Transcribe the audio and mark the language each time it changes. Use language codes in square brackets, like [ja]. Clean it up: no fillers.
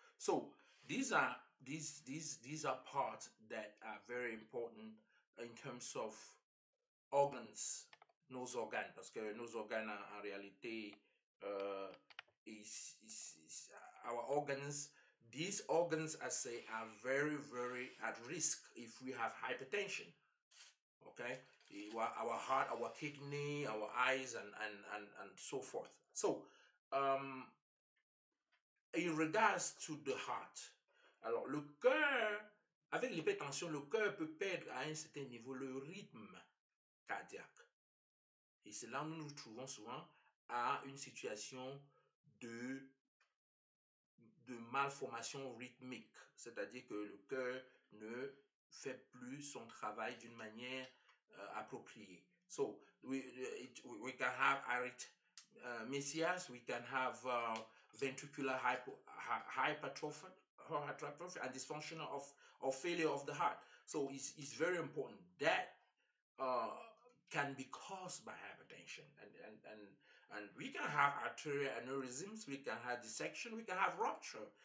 [en] So these are parts that are very important in terms of organs, [fr] nos organes, parce que nos organes en réalité [en] is our organs. These organs, I say, are very very at risk if we have hypertension. Okay, our heart, our kidney, our eyes, and so forth. So, in regards to the heart, [fr] alors le cœur, avec l'hypertension, le cœur peut perdre à un certain niveau le rythme cardiaque. Et c'est là où nous nous trouvons souvent à une situation de malformation rythmique, c'est-à-dire que le cœur ne fait plus son travail d'une manière approprié. [en] So we can have arrhythmias, we can have ventricular hypertrophy and dysfunction or failure of the heart. So it's very important that can be caused by hypertension, and we can have arterial aneurysms, we can have dissection, we can have rupture.